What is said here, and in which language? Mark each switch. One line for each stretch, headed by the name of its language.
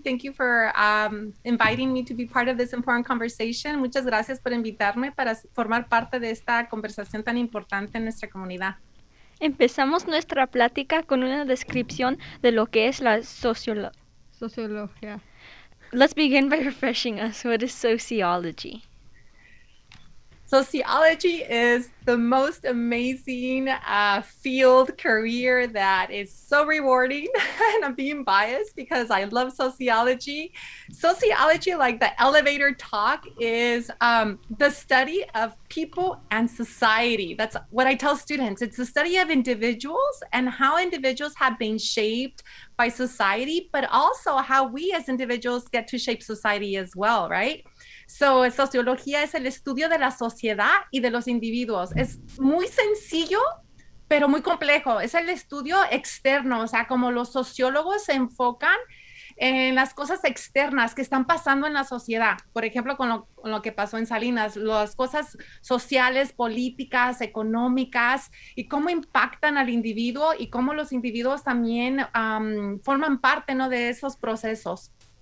English: Thank you for inviting me to be part of this important conversation.
Spanish: Muchas gracias por invitarme para formar parte de esta conversación tan importante en nuestra comunidad. Empezamos nuestra plática con una descripción de lo que es la sociología.
English: Let's begin by refreshing us. What is sociology? Sociology is the most amazing field career that is so rewarding, and I'm being biased because I love sociology. Sociology, like the elevator talk, is the study of people and society. That's what I tell students. It's the study of individuals and how individuals have been shaped by society, but also how we as individuals get to shape society as well, right?
Spanish: So, sociología es el estudio de la sociedad y de los individuos. Es muy sencillo, pero muy complejo. Es el estudio externo, o sea, como los sociólogos se enfocan en las cosas externas que están pasando en la sociedad. Por ejemplo, con lo que pasó en Salinas, las cosas sociales, políticas, económicas, y cómo impactan al individuo y cómo los individuos también forman parte, ¿no?, de esos procesos.